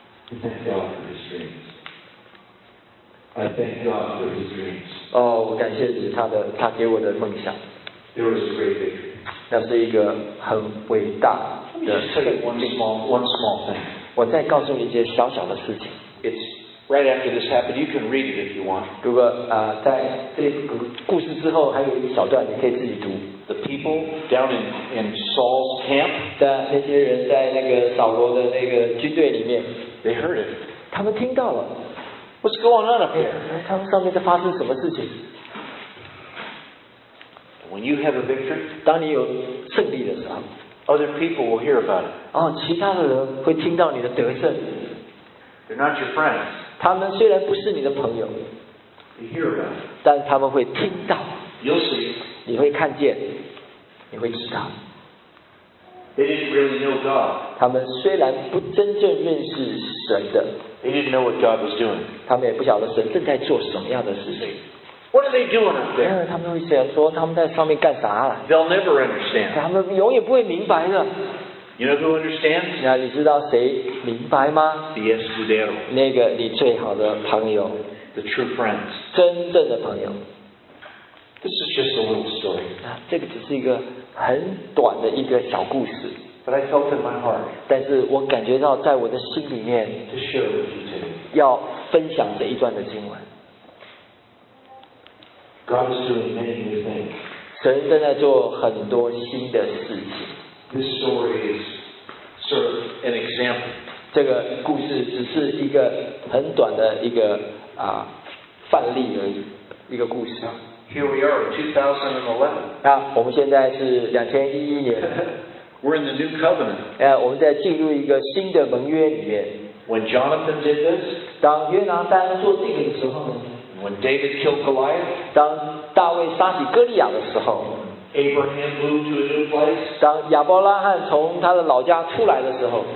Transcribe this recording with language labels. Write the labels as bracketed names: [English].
[English] Thank God for his dreams. I thank God for his dreams. [Chinese] 我感谢他给我的梦想。 [English] There was a great victory. [Chinese] 那是一个很伟大 [English] Let me just tell you one small thing. [Chinese] 我再告诉你一件小小的事情。 [English] It's right after this happened. You can read it if you want. [Chinese] 如果在这个故事之后还有一小段，你可以自己读。 [English] The people down in Saul's camp. [Chinese] 在那些人在那个扫罗的那个军队里面。 [English] They heard it. [Chinese] 他们听到了。 [English] What's going on up here? [Chinese] 他们上面在发生什么事情？ [English] When you have a victory, [Chinese] 当你有胜利的时候 [English] other people will hear about it. [Chinese] 哦，其他的人会听到你的得胜。 [English] They're not your friends. [Chinese] 他们虽然不是你的朋友 [English] ，They hear about it. [Chinese] 但他们会听到。 [English] You'll see. [Chinese] 你会看见，你会知道。 [English] They didn't really know God. [Chinese] 他们虽然不真正认识神的 [English] ，They didn't know what God was doing. [Chinese] 他们也不晓得神正在做什么样的事情。 [English] What are they doing up there? [Chinese] 他们会想说他们在上面干啥了。 [English] They'll never understand. [Chinese] 他们永远不会明白的。 [English] You know who understands? [Chinese] 那你知道谁明白吗 [English] ？The Escudero. [Chinese] 那个你最好的朋友。 [English] The true friends. [Chinese] 真正的朋友。 [English] This is just a little story. [Chinese] 这个只是一个很短的一个小故事。 [English] But I felt in my heart. [Chinese] 但是我感觉到在我的心里面。 [English] To share with you too. [Chinese] 要分享这一段的经文。 [English] God is doing many new things. [Chinese] 神正在做很多新的事情。 [English] This story is sort of an example. [Chinese] 这个故事只是一个很短的一个范例而已，一个故事。 [English] Here we are in 2011. [Chinese] 那我们现在是2011年。 [English] We're in the new covenant. [Chinese] 我们在进入一个新的盟约里面。 [English] When Jonathan did this, [Chinese] 当约拿单做这个的时候呢？ [English] When David killed Goliath, [Chinese] 当大卫杀死哥利亚的时候 [English] ，Abraham moved to a new place. [Chinese] 当亚伯拉罕从他的老家出来的时候